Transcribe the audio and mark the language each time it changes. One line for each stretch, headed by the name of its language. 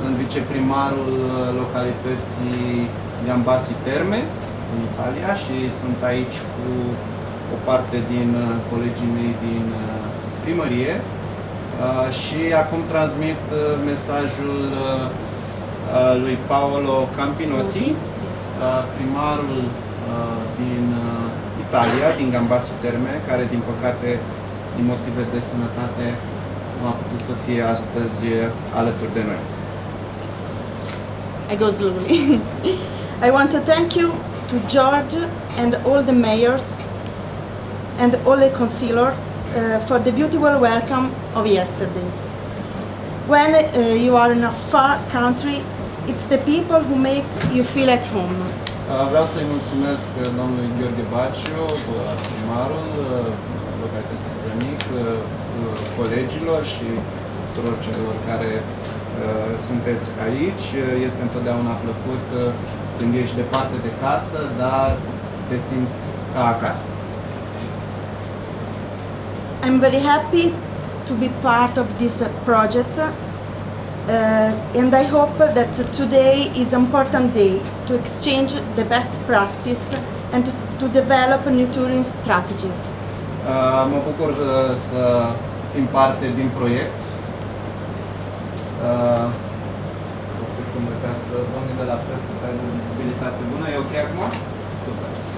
Romanian: Sunt viceprimarul localității Gambassi Terme, în Italia, și sunt aici cu o parte din colegii mei din primărie și acum transmit mesajul lui Paolo Campinotti, primarul din Italia, din Gambassi Terme, care din păcate din motive de sănătate nu a putut să fie astăzi alături de noi.
English: I go slowly. I want to thank you to George and all the mayors and all the councillors for the beautiful welcome of yesterday. When you are in a far country, it's the people who make you feel at home.
Romanian: Vreau să-i mulțumesc domnului Gheorghe Baciu, primarul localității Slănic, colegilor și tuturor celor care sunteți aici. Este întotdeauna plăcut când ești departe de casă, dar te simți ca acasă.
English: I'm very happy to be part of this project and I hope that today is an important day to exchange the best practice and to develop new tourism strategies.
Romanian: Mă bucur să fim parte din proiect. Să vă mulțumesc, domnule, la fel, să aibă o vizibilitate bună. E ok acum? Super.